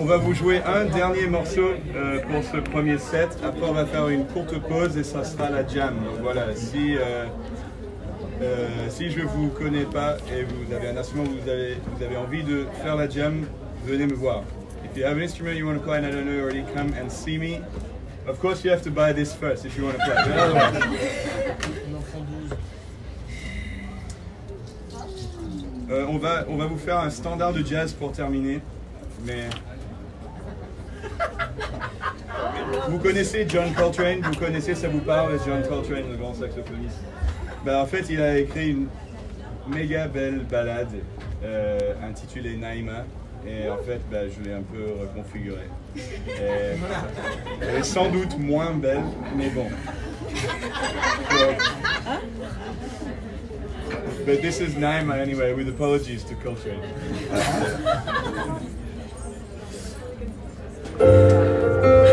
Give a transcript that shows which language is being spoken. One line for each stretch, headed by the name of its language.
French: Pour ce premier set, après on va faire une courte pause et ça sera la jam. Donc voilà, si je ne vous connais pas et vous avez un instrument, vous avez envie de faire la jam, venez me voir.
English: If you have an instrument you want to play and I don't know already, come and see me. Of course you have to buy this first if you want to play. Another one.
French: On va vous faire un standard de jazz pour terminer, mais... Vous connaissez John Coltrane, vous connaissez, ça vous parle, John Coltrane, le grand saxophoniste. Ben, en fait, il a écrit une méga belle ballade intitulée Naïma, et en fait, ben, je l'ai un peu reconfigurée. Elle est sans doute moins belle, mais bon.
English: But this is Naïma anyway, with apologies to Coltrane.